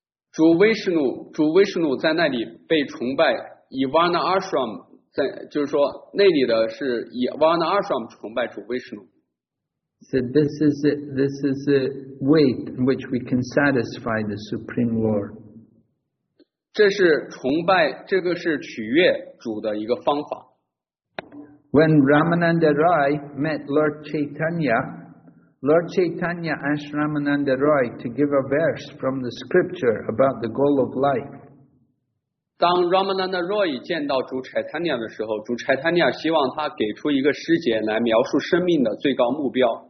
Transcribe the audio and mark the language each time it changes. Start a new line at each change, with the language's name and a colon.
Chinese: 主 Vishnu 在那里被崇拜，以 Varnashram 在，就是说那里的是以 Varnashram 崇拜主 Vishnu.
English: So this is the way in which we can satisfy the Supreme Lord.
Chinese: 这是崇拜，这个是取悦主的一个方法。
English: When Ramananda Roy met Lord Chaitanya, Lord Chaitanya asked Ramananda Roy to give a verse from the scripture about the goal of life.
Chinese: 当 Ramananda Roy 见到主 Chaitanya 的时候，主 Chaitanya 希望他给出一个师节来描述生命的最高目标。